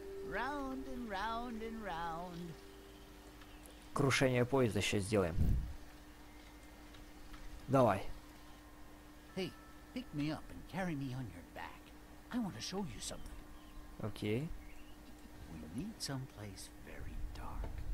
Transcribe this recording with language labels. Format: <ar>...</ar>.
<en>Round and round and round.</en> <ru>Крушение поезда сейчас сделаем. Давай.</ru> <en>Hey, pick me up and carry me on your back. I want to show you something.</en> <ru>Окей.</ru> <en>need someplace very dark.</en>